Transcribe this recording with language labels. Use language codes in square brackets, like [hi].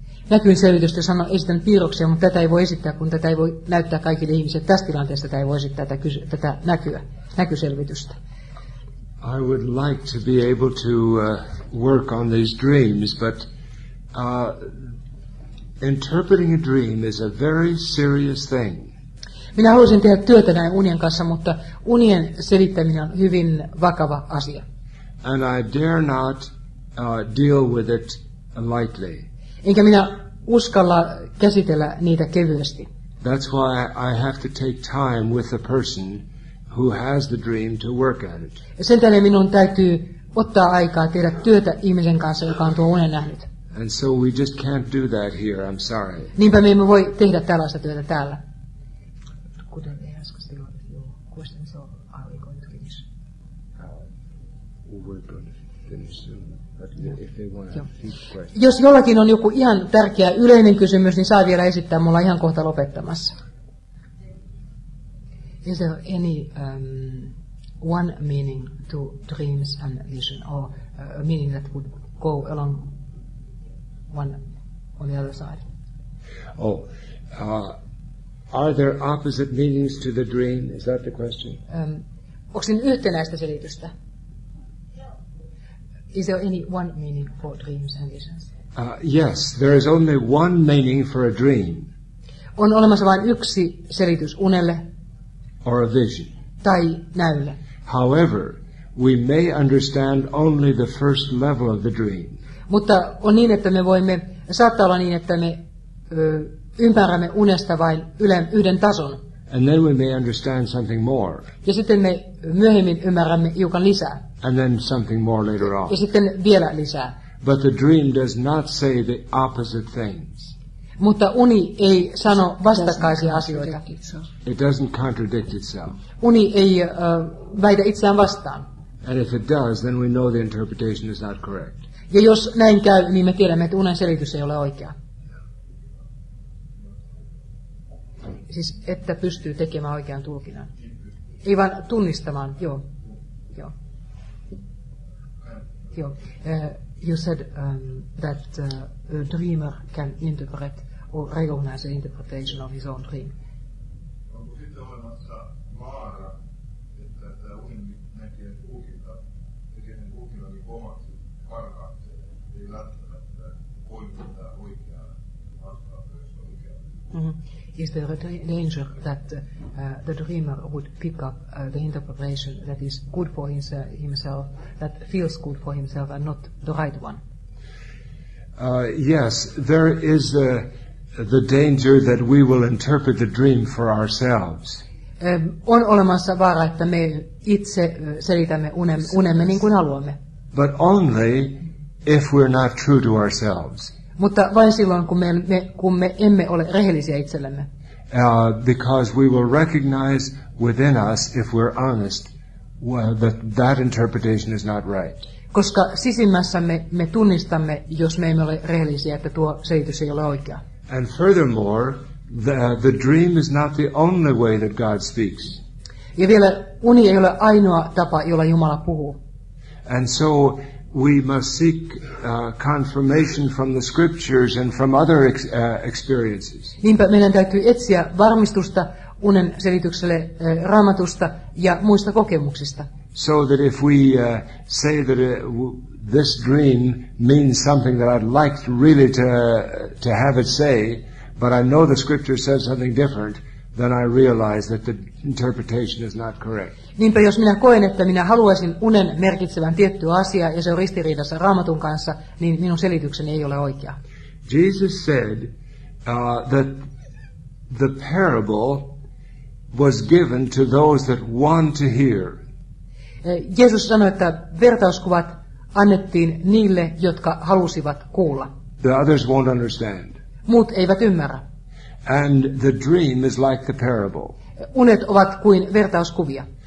[fi] Näkyyn selvitystä sanon esitän piirroksia, mutta tätä ei voi esittää, kun tätä ei voi näyttää kaikille ihmisille tässä tilanteessa, tätä ei voi esittää tätä näkyä, näkyselvitystä. [en] I would like to be able to work on these dreams, but interpreting a dream is a very serious thing. [fi] Minä haluaisin tehdä työtä näin unien kanssa, mutta unien selittäminen on hyvin vakava asia. [en] And I dare not deal with it lightly. [fi] Enkä minä uskalla käsitellä niitä kevyesti. [en] That's why I have to take time with the person who has the dream to work at it. [fi] Sen tähden minun täytyy ottaa aikaa tehdä työtä ihmisen kanssa, joka on tuo unen nähnyt. [en] And so we just can't do that here, I'm sorry. [fi] Niinpä me emme voi tehdä tällaista työtä täällä. Kuten ei äsken sanoin, [en] question is all, are we going to finish? We're going to finish soon. Yeah. [fi] Jos jollakin on joku ihan tärkeä yleinen kysymys, niin saa vielä esittää, mulla ihan kohta lopettamassa. [en] Is there any one meaning to dreams and vision, or a meaning that would go along one on the other side? Oh, are there opposite meanings to the dream? Is that the question? [fi] Onko siinä yhtenäistä selitystä? [en] Is there any one meaning for dreams and visions? Yes, there is only one meaning for a dream. [fi] On olemassa vain yksi selitys unelle. [en] Or a vision. [fi] Tai näylle. [en] However, we may understand only the first level of the dream. [fi] Mutta on niin, että me voimme, saattaa olla niin, että me ymmärrämme unesta vain yhden tason. [en] And then we may understand something more. [fi] Ja sitten me myöhemmin ymmärrämme hiukan lisää. [en] And then something more later on. [fi] Ja sitten vielä lisää. [en] But the dream does not say the opposite things. [fi] Mutta uni ei sano vastakkaisia asioita. [en] It doesn't contradict itself. [fi] Uni ei väitä itseään vastaan. [en] And if it does, then we know the interpretation is not correct. [fi] Ja jos näin käy, niin me tiedämme, että unen selitys ei ole oikea. Siis, että pystyy tekemään oikean tulkinnan. Ei vaan tunnistamaan, joo. Joo. Joo. [en] You said that a dreamer can interpret or recognize the interpretation of his own dream. [fi] Onko sitten olemassa vaara, että tämä unimi näkee tulkinta, tekee sen tulkinnan niin omaksi parhaakseen, ei välttämättä poimittaa oikeaa vastaan, jos on oikeaa. [en] Is there a danger that the dreamer would pick up the interpretation that is good for himself, that feels good for himself and not the right one? Yes, there is the danger that we will interpret the dream for ourselves. [fi] On olemassa vaara, että me itse selitämme unemme niin kuin haluamme. [en] But only if we're not true to ourselves. [fi] Mutta vain silloin, kun me emme ole rehellisiä itsellemme. [en] Because we will recognize within us, if we're honest, that interpretation is not right. [fi] Koska sisimmässämme me tunnistamme, jos me emme ole rehellisiä, että tuo selitys ei ole oikea. [en] And furthermore, the dream is not the only way that God speaks. [fi] Ja vielä, uni ei ole ainoa tapa, jolla Jumala puhuu. [en] And so we must seek confirmation from the scriptures and from other experiences. [fi] Niinpä meidän täytyy etsiä varmistusta unen selitykselle Raamatusta ja muista kokemuksista. [en] So that if we say that this dream means something that I'd like really to have it say, but I know the scripture says something different, then I realize that the interpretation is not correct. [fi] Niinpä jos minä koen, että minä haluaisin unen merkitsevän tiettyä asiaa ja se on ristiriidassa Raamatun kanssa, niin minun selitykseni ei ole oikea. [en] Jesus said that the parable was given to those that want to hear. [fi] Jeesus sanoi, että vertauskuvat annettiin niille, jotka halusivat kuulla. [en] The others won't understand. [fi] Muut eivät ymmärrä. [en] And the dream is like the parable. [fi] Unet ovat kuin vertauskuvia.